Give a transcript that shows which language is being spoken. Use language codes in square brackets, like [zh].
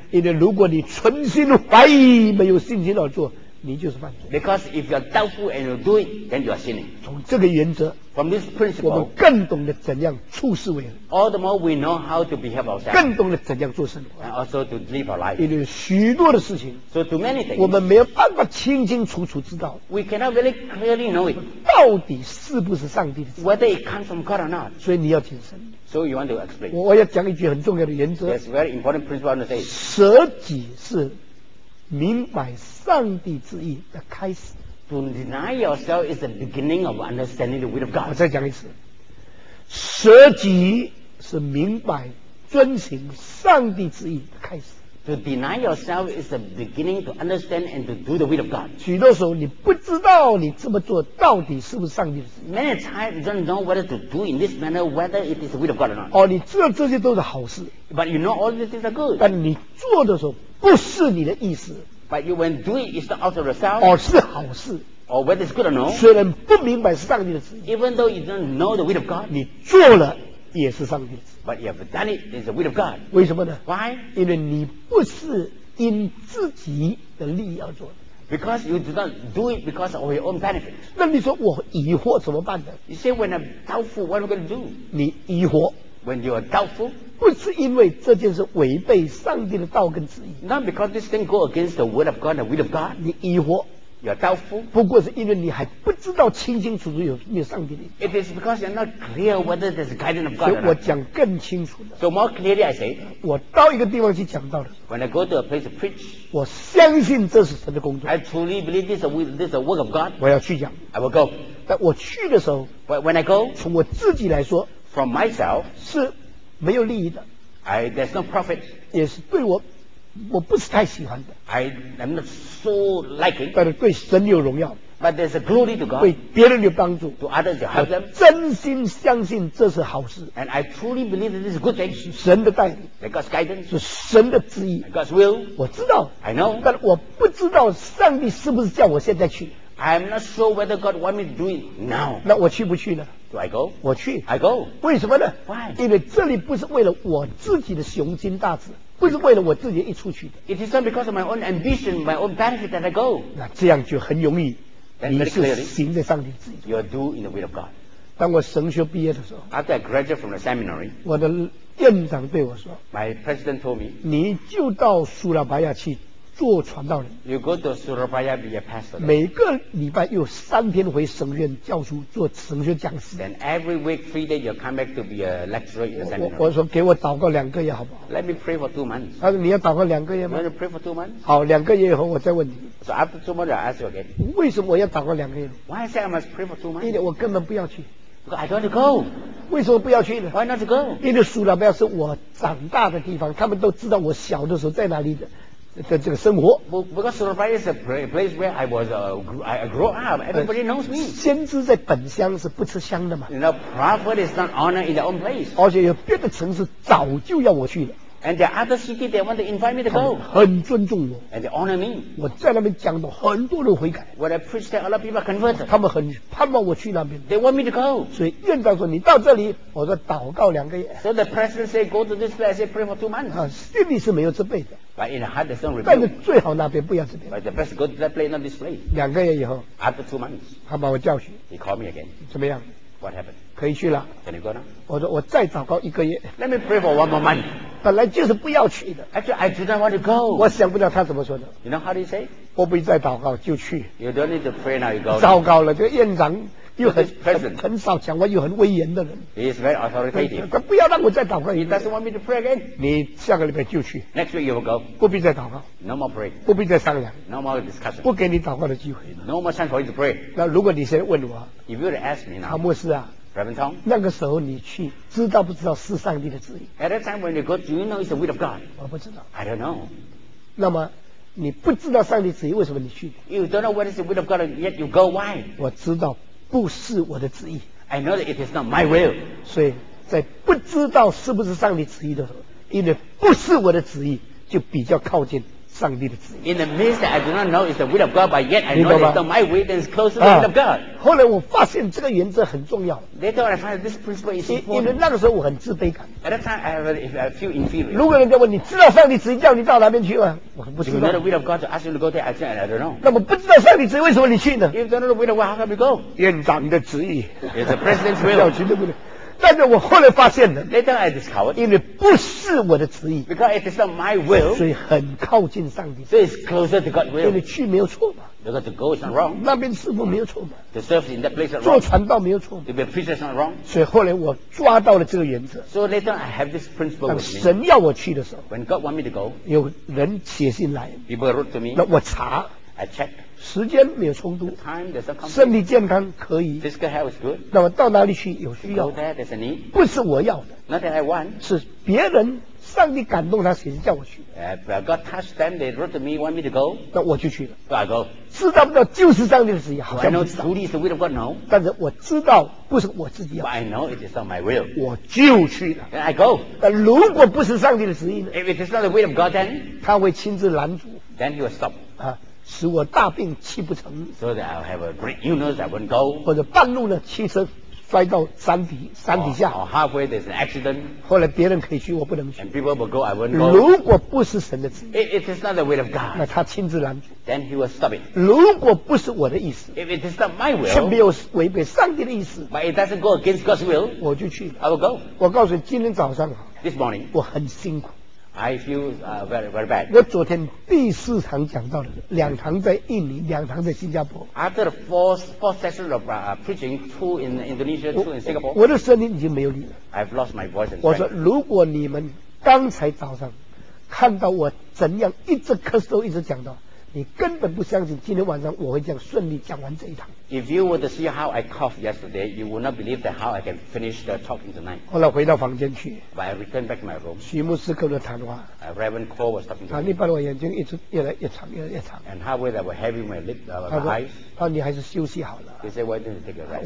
[zh] 因为如果你存心怀疑没有信心而做你就是犯罪 [en] because if you are doubtful and you do it, then you are sinning, [zh] 从这个原则 [en] From this principle, [zh] 我们更懂得怎样处事为人 [en] All the more we know how to behave ourselves [zh] 更懂得怎样做生活 [en] And also to live our life [zh] 因为许多的事情 [en] So too many things [zh] 我们没有办法清清楚楚知道 [en] We cannot really clearly know it [zh] 到底是不是上帝的旨意 [en] Whether it comes from God or not [zh] 所以你要谨慎 [en] So you want to explain [zh] 我要讲一句很重要的原则 [en] Yes, very important principle I want to say [zh] 舍己是明白上帝旨意的开始 [en] To deny yourself is the beginning of understanding the will of God. [zh] 我再讲一次，舍己是明白遵行上帝旨意的开始。 [en] To deny yourself is the beginning to understand and to do the will of God. [zh] 许多时候你不知道你这么做到底是不是上帝的旨意。 [en] Many times you don't know whether to do in this manner whether it is the will of God or not. [zh] 哦，你知道这些都是好事。 [en] But you know all these things are good. [zh] 但你做的时候不是你的意思。 [en] But you when do it, it's not out of yourself. [zh] 哦，是好事。 [en] Or whether it's good or no. [zh] 虽然不明白是上帝的旨意。 [en] Even though you don't know the will of God. [zh] 你做了也是上帝的旨意。 [en] But you have done it, it's the will of God. [zh] 为什么呢 [en] ？Why? [zh] 因为你不是因自己的利益而做的。 [en] Because you do not do it because of your own benefit. [zh] 那你说我疑惑怎么办呢 [en] ？You say when I'm doubtful, what am I going to do? [zh] 你疑惑。 [en] When you are doubtful, [zh] 不是因为这件事违背上帝的道跟旨意。 [en] Not because this thing go against the word of God, the will of God. [zh] 你疑惑。 [en] You are doubtful. [zh] 不过是因为你还不知道清清楚楚有上帝的。 [en] It is because you're not clear whether there's guidance of God. [zh] 所以我讲更清楚的。 [en] So more clearly, I say, [zh] 我到一个地方去讲道的。 [en] When I go to a place to preach, [zh] 我相信这是神的工作。 [en] I truly believe this is a work of God. [zh] 我要去讲。 [en] I will go. [zh] 但我去的时候 [en] ，But when I go, [zh] 从我自己来说。 [en] From myself, [zh] 是没有利益的 [en] I, there's no profit. [zh] 也是对我不是太喜欢的 [en] I am not so liking. [zh] 但是对神有荣耀 [en] But there's a glory to God. [zh] 对别人有帮助 [en] To others, you help them. [zh] 真心相信这是好事 [en] And I truly believe that this is a good thing. [zh] 神的带领 [en] God's guidance. [zh] 是神的旨意 [en] God's will. [zh] 我知道 [en] I know. [zh] 但我不知道上帝是不是叫我现在去 [en] I'm not sure whether God wants me to do it now. [zh] 那我去不去呢 [en] Do I go? [zh] 我去 [en] I go. [zh] 为什么呢 [en] Why? [zh] 因为这里不是为了我自己的雄心大志不是为了我自己一出去的 [en] It is not because of my own ambition My own benefit that I go [zh] 那这样就很容易 [en] Then, [zh] 你是行在上帝自己 [en] You are doing the will of God [zh] 当我神学毕业的时候 [en] After I graduate from the seminary [zh] 我的院长对我说 [en] My president told me [zh] 你就到苏拉巴亚去做传道人 [en] You go to Surabaya be a pastor [zh] 每个礼拜有三天回神院教书做神学讲师 [en] Then every week 3 days you come back to be a lecturer in the seminary [zh] 我说给我祷告两个月好不好 [en] Let me pray for 2 months [zh] 他说你要祷告两个月吗 [en] You want to pray for 2 months [zh] 好两个月以后我再问你 [en] So after 2 months I'll ask you again [zh] 为什么我要祷告两个月 [en] Why I say I must pray for 2 months [zh] 因为我根本不要去 [en] Because I don't want to go [zh] 为什么不要去呢 [en] Why not to go [zh] 因为苏拉巴亚是我长大的地方他们都知道我小的时候在哪里的的这个生活 [en] Because Surabaya is a place where I was I grew up Everybody knows me [zh] 先知在本乡是不吃香的嘛 [en] You know, prophet is not honored in their own place [zh] 而且有别的城市早就要我去了 [en] And there are other cities they want to invite me to go [zh] 很尊重我 [en] And they honor me [zh] 我在那边讲的很多人悔改 [en] When I preach there, a lot of people are converted [zh] 他们很盼望我去那边 [en] They want me to go [zh] 所以院长说你到这里我说祷告两个月 [en] So the president said go to this place I said pray for 2 months [zh] 心里是没有这辈子 [en] But in a heart, there's no rebuke. [zh] 但是最好那边不要这边。 [en] But the best go to that place, not this place. [zh] 两个月以后 [en] ，After 2 months, [zh] 他把我叫去。 [en] He called me again. [zh] 怎么样 [en] ？What happened? [zh] 可以去了。 [en] Can you go now? [zh] 我说我再祷告一个月。 [en] Let me pray for 1 more month. [zh] 本来就是不要去的。 [en] Actually, I do not want to go. [zh] 我想不到他怎么说的。 [en] You know how do you say? [zh] 我不再祷告就去。 [en] You don't need to pray now. You go. [zh] 糟糕了，这个院长。又很 [en] present， [zh] 很少讲话又很威严的人。 [en] He is very authoritative。 [zh] 不要让我再祷告。 [en] He doesn't want me to pray again。 [zh] 你下个礼拜就去。 [en] Next week you will go。 [zh] 不必再祷告。 [en] No more pray。 [zh] 不必再商量。 [en] No more discussion。 [zh] 不给你祷告的机会。 [en] No more chance for you to pray。 [zh] 那如果你现在问我 [en] ，If you were to ask me now， [zh] 唐牧师啊。 [en] Reverend [zh] Tong， 那个时候你去，知道不知道是上帝的旨意 [en] ？At that time when you go, do you know it's the will of God？ [zh] 我不知道。 [en] I don't know。 [zh] 那么你不知道上帝旨意，为什么你去 [en] ？You don't know what is the will of God, yet you go. Why？ [zh] 我知道不是我的旨意。 [en] I know that it is not my will。 [zh] 所以在不知道是不是上帝旨意的时候，因为不是我的旨意，就比较靠近上帝的旨意。 [en] In the midst that I do not know is the will of God, but yet I know that my will is close to the will of God. [zh] 后来我发现这个原则很重要。 [en] Later I find this principle is important. [zh] 因为那个时候我很自卑感。 [en] At that time I have a few inferior. [zh] 如果人家问你知道上帝旨意叫你到哪边去吗？我不知道。 [en] Do you know the will of God to ask you to go there? I said I don't know. [zh] 那么不知道上帝旨意为什么你去呢 [en] ？If you don't know the will of God, how can you go? [zh] 院长的旨意。 [en] It's the president's will. [zh] 要去对不对？但是我后来发现的 [en] Later I discovered， [zh] 因为不是我的旨意 [en] Because it is not my will， [zh] 所以很靠近上帝，所以 [en] it's closer to God's will， [zh] 因为去没有错嘛， [en] Because to go is not wrong， [zh] 那边师父没有错嘛， [en] To serve in that place is wrong， [zh] 做传道没有错， [en] To be a preacher is not wrong， [zh] 所以后来我抓到了这个原则， [en] So later I have this principle with me， [zh] 神要我去的时候， [en] When God want me to go， [zh] 有人写信来， [en] People wrote to me， [zh] 那我查， [en] I check， [zh] 时间没有冲突， [en] the time, there's a conflict， [zh] 身体健康可以， [en] physical health is good， [zh] 那么到哪里去有需要， [en] go there, there's a need， [zh] 不是我要的， [en] not that I want， [zh] 是别人上帝感动他写信叫我去， [en] but God touched them, they wrote to me, want me to go， [zh] 那我就去了， [en] so I go， [zh] 知道不知道就是上帝的旨意，好像不知道， [en] truly is the will of God, no， [zh] 但是我知道不是我自己要， [en] but I know it is not my will， [zh] 我就去了， [en] then I go， [zh] 但如果不是上帝的旨意呢， [en] if it is not the will of God, then [zh] 他会亲自拦阻， [en] then he will stop， [zh] 使我大病气不成 [en] ，so that I'll have a great illness I won't go， [zh] 或者半路呢汽车摔到山底下 [en] or ，halfway there's an accident， [zh] 后来别人可以去我不能去 [en] ，and people will go I won't go， [zh] 如果不是神的旨意 [en] ，it is not the will of God， [zh] 那他亲自拦阻 [en] ，then he will stop it， [zh] 如果不是我的意思 [en] ，if it is not my will， [zh] 却没有违背上帝的意思 [en] ，but it doesn't go against God's will， [zh] 我就去 [en] ，I will go， [zh] 我告诉你今天早上 [en] ，this morning， [zh] 我很辛苦。 [en] I feel very very bad。 [zh] 我昨天第四堂讲到的，两堂在印尼，两堂在新加坡。 [en] After the four sessions of preaching, two in Indonesia, two in Singapore。 [zh] 我的声音已经没有力了。 [en] I've lost my voice. [zh] 我说，如果你们刚才早上看到我怎样一直咳嗽，一直讲到，你根本不相信今天晚上我会这样顺利讲完这一堂。 [en] If you were to see how I coughed yesterday, you would not believe that how I can finish the talking tonight. [zh] 后来回到房间去。 [en] But I returned back to my room. [zh] 徐牧师跟我谈话。 [en] Reverend Cole was talking to me. [zh] 他把我眼睛一直越来越长，越来越长。 [en] And halfway that were heavy my lip, my eyes. [zh] 他说你还是休息好了。 [en] He said, why don't you take a rest?